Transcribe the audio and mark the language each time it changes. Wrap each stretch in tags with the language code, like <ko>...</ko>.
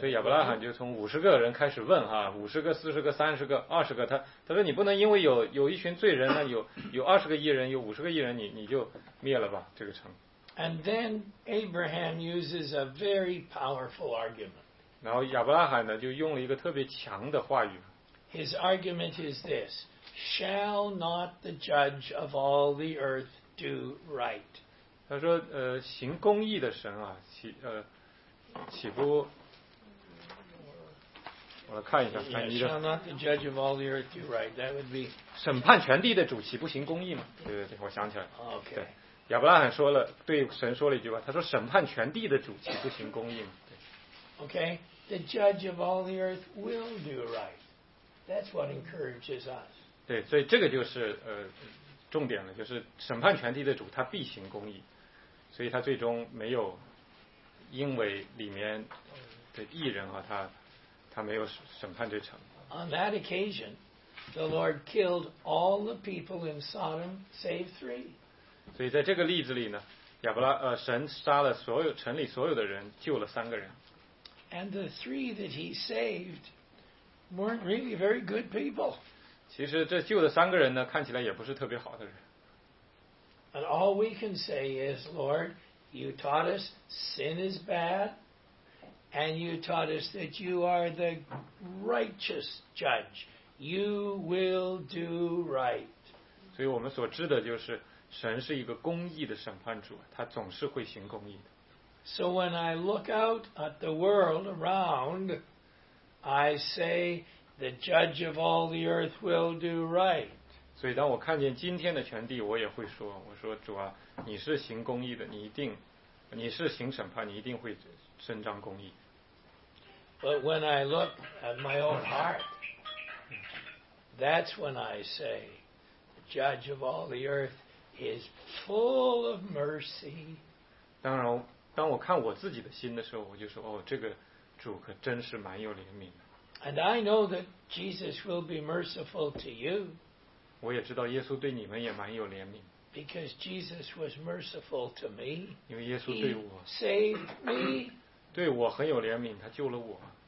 <zh>所以亚伯拉罕就从五十个人开始问哈，五十个、四十个、三十个、二十个，他说你不能因为有一群罪人呢，有二十个义人，有五十个义人，你就灭了吧这个城。</zh> <en>And then Abraham uses a very powerful argument.</en> <zh>然后亚伯拉罕呢就用了一个特别强的话语。</zh> <en>His argument is this. Shall not the judge of all the earth do right?</en> <zh>他说，行公义的神啊，岂不？我来看一下，翻译的。</zh> <en>Shall not the judge of all the earth do right? That would be</en> <zh>审判全地的主岂不行公义吗？对对对，我想起来。</zh> <en>Okay.</en> <zh>亚伯拉罕说了，对神说了一句话，他说：“审判全地的主岂不行公义吗？” 对。</zh> <en>Okay. The judge of all the earth will do right. That's what encourages us.</en> <zh>对，所以这个就是重点了，就是审判全地的主他必行公义，所以他最终没有因为里面的义人啊，他没有审判这城。</zh> <en>On that occasion, the Lord killed all the people in Sodom save three.</en> <zh>所以在这个例子里呢，神杀了所有城里所有的人，救了三个人。</zh> <en>And the three that he saved weren't really very good people.</en> <zh>其实这救的三个人呢，看起来也不是特别好的人。</zh> <en>And all we can say is, Lord, you taught us sin is bad, and you taught us that you are the righteous judge. You will do right.</en> <zh>所以我们所知的就是，神是一个公义的审判主，他总是会行公义的。</zh> <en>So when I look out at the world around, I say,The judge of all the earth will do right.</en> <zh>所以当我看见今天的全地，我也会说，我说主啊，你是行公义的，你一定，你是行审判，你一定会伸张公义。</zh> <en>But when I look at my own heart, That's when I say, the judge of all the earth is full of mercy.</en> <zh>当然，当我看我自己的心的时候，我就说，哦，这个主可真是蛮有怜悯的。</zh> <en>And I know that Jesus will be merciful to you.</en> <zh>我也知道耶稣对你们也蛮有怜悯。</zh> <en>Because Jesus was merciful to me.</en> <zh>因为耶稣对我。</zh> <en>He saved me.</en> <zh>对我很有怜悯，他救了我。</zh>